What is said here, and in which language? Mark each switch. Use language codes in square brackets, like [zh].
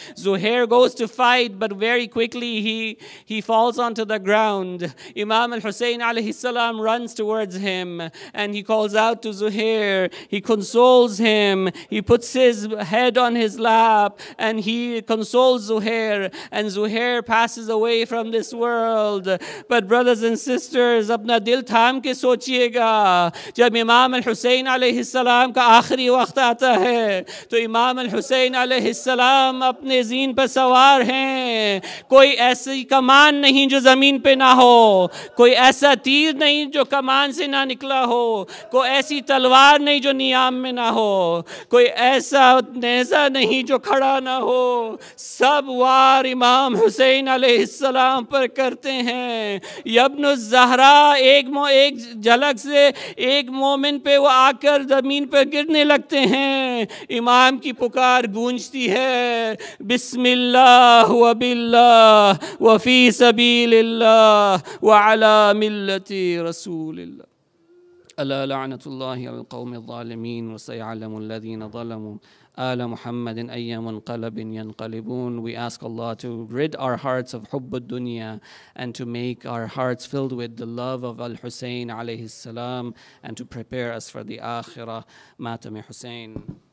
[en] Zuhair goes to fight, but very quickly he falls onto the ground. Imam al-Husayn alayhi salam runs towards him and he calls out to Zuhair. He consoles him. He puts his head on his lap and he consoles Zuhair, and Zuhair passes away from this world. But brothers and sisters, [ur] apna dil tham ke sochiyega, jab Imam al-Husayn alayhi salam ka akhri waqt aata hai, to Imam al-Husayn alayhi salam apne zin pe سوار ہیں کوئی ایسی کمان نہیں جو زمین پہ نہ ہو کوئی ایسا تیر نہیں جو کمان سے نہ نکلا ہو کوئی ایسی تلوار نہیں جو نیام میں نہ ہو کوئی ایسا نیزہ نہیں جو کھڑا نہ ہو سب وار امام حسین علیہ السلام پر کرتے ہیں یبن الزہرا ایک جھلک سے ایک مومن پہ وہ آ کر زمین پہ گرنے لگتے ہیں امام کی پکار گونجتی ہے [ar] بسم اللہ و باللہ و فی سبیل اللہ و علی ملت رسول اللہ الا لعنت اللہ علی القوم الظالمین و سیعلم الذین ظلموا آل محمد ایام قلب ینقلبون. [en] We ask Allah to rid our hearts of حب الدنيا and to make our hearts filled with the love of Al-Husayn alayhi salam and to prepare us for the آخرة. ماتم حسین.